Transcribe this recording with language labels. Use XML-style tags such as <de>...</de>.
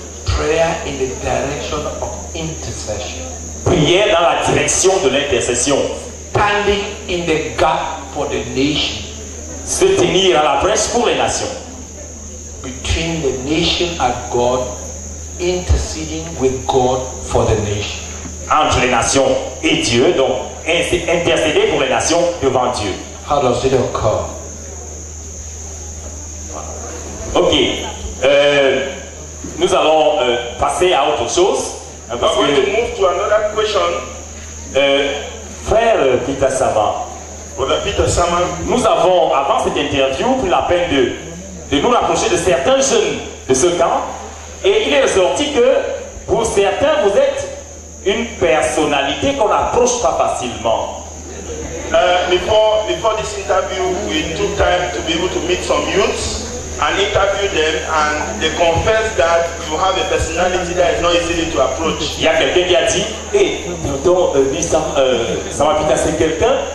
<en>Prayer in the direction of intercession.</en> <fr>Prière dans la direction de l'intercession.</fr> <en>Standing in the gap for the nation.</en> <fr>Se tenir à la brèche pour les nations.</fr> <en>Between the nation and God, interceding with God for the nation.</en> <fr>Entre les nations et Dieu, donc intercéder pour les nations devant Dieu.</fr> <en>How does it occur?</en> <fr>Ok, nous allons passer à autre chose. Parce que,</fr> <en>to move to another question.</en> <fr>Frère Peter Sama,</fr> <en>Brother Peter Sama,</en> <fr>nous avons, avant cette interview, pris la peine de nous rapprocher de certains jeunes de ce camp. Et il est ressorti que, pour certains, vous êtes une personnalité qu'on n'approche pas facilement.</fr> <en>Before this interview, we took time to be able to meet some youths. And interview them, and they confess that you have a personality that is not easy to approach.</en> <fr>Il y a quelqu'un qui a dit, ça va vite à c'est quelqu'un.</fr>